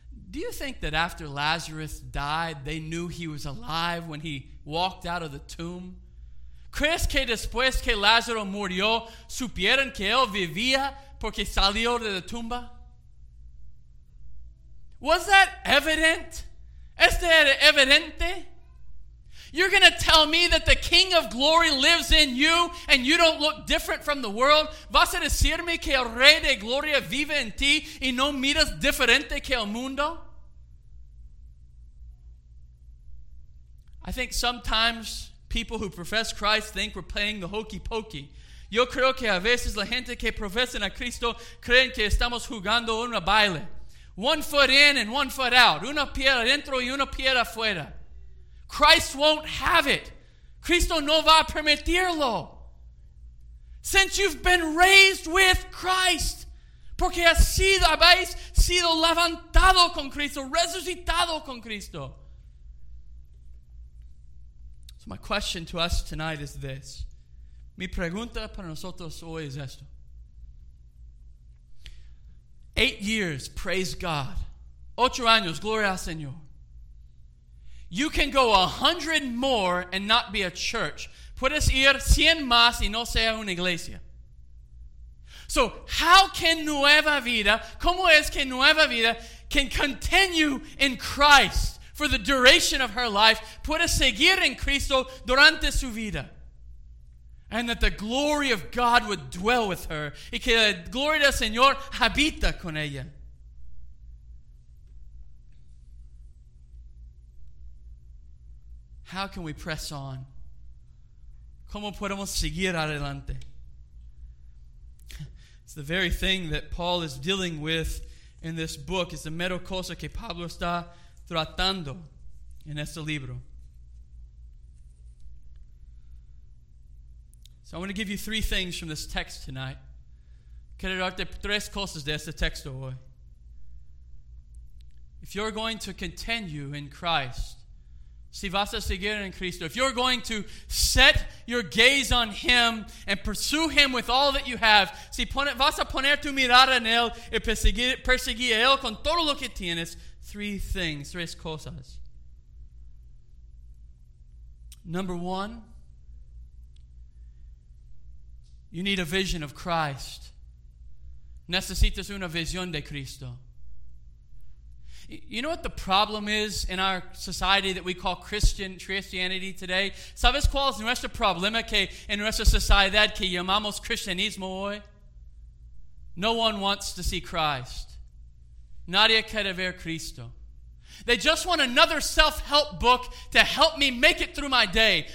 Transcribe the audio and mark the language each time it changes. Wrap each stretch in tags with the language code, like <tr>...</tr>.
<en>Do you think that after Lazarus died, they knew he was alive when he walked out of the tomb?</en> <es>¿Crees que después que Lázaro murió, supieron que él vivía porque salió de la tumba?</es> <en>Was that evident?</en> <es>¿Este era evidente?</es> <en>You're going to tell me that the King of Glory lives in you and you don't look different from the world?</en> <es>¿Vas a decirme que el Rey de Gloria vive en ti y no miras diferente que el mundo?</es> <en>I think sometimes people who profess Christ think we're playing the hokey pokey.</en> <es>Yo creo que a veces la gente que profesan a Cristo creen que estamos jugando un baile.</es> <en>One foot in and one foot out.</en> <es>Una pierna dentro y una pierna afuera.</es> <en>Christ won't have it.</en> <es>Cristo no va a permitirlo.</es> <en>Since you've been raised with Christ,</en> <es>porque habéis sido levantado con Cristo, resucitado con Cristo.</es> <en>So my question to us tonight is this.</en> <es>Mi pregunta para nosotros hoy es esto.</es> <en>8 years, praise God.</en> <es>8 años, gloria al Señor.</es> <en>You can go 100 more and not be a church.</en> <es>Puedes ir 100 más y no sea una iglesia.</es> <en>So how can nueva vida,</en> <es>cómo es que</es> <en>nueva vida can continue in Christ for the duration of her life,</en> <es>puede seguir en Cristo durante su vida?</es> <en>And that the glory of God would dwell with her.</en> <es>Y que la gloria del Señor habita con ella.</es> <en>How can we press on?</en> <es>¿Cómo podemos seguir adelante?</es> <en>It's the very thing that Paul is dealing with in this book.</en> <es>It's the mero cosa que Pablo está tratando en este libro.</es> <en>So I want to give you three things from this text tonight.</en> <es>Quiero darte tres cosas de este texto hoy.</es> <en>If you're going to continue in Christ,</en> <es>si vas a seguir en Cristo,</es> <en>if you're going to set your gaze on Him and pursue Him with all that you have,</en> <es>si vas a poner tu mirada en Él y perseguir a Él con todo lo que tienes,</es> <en>three things,</en> <es>tres cosas.</es> <en>Number one, you need a vision of Christ.</en> <es>Necesitas una visión de Cristo.</es> <en>You know what the problem is in our society that we call Christianity today?</en> <es>¿Sabes cuál es nuestro problema que en nuestra sociedad que llamamos cristianismo hoy?</es> <en>No one wants to see Christ.</en> <es>Nadie quiere ver Cristo.</es> <en>They just want another self-help book to help me make it through my day.</en>